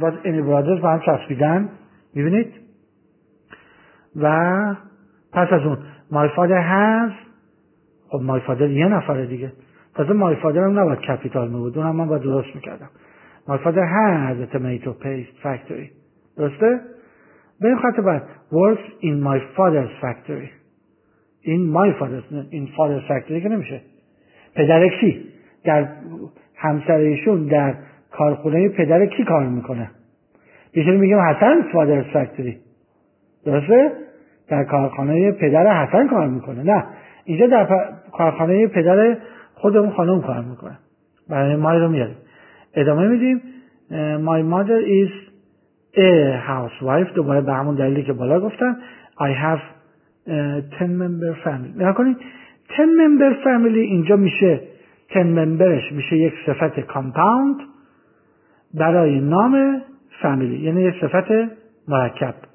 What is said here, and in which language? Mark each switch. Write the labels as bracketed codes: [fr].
[fa] باز [en] any brothers [fa] با هم چسبیدن. میبینید؟ و پس از اون [en] my father has. [fa] خب [en] my father [fa] یه نفره دیگه. باز my father هم نباید کپیتال میبود. اونم من باید درست میکردم. [en] My father has a tomato paste factory. [fa] درسته؟ به این خاطر باید [en] works in my father's factory. In my father's in father's factory [fa] که نمیشه. پدر کی؟ در همسرشون در کارخونه پدر کی کار میکنه؟ بیشتری میگیم حسن's [en] father's factory. [fa] درسته؟ در کارخونه پدر حسن کار میکنه. نه. اینجا در کارخونه پدر خودمون خانم کار میکنه. برای ما رو میاریم. ادامه میدیم. [en] My mother is a housewife. [fa] دوباره به همون دلیلی که بالا گفتم [en] I have 10 member family. [fa] نگاه کنید [en] 10 member family [fa] اینجا میشه 10 memberش میشه یک صفت compound برای نام family، یعنی یک صفت مرکب.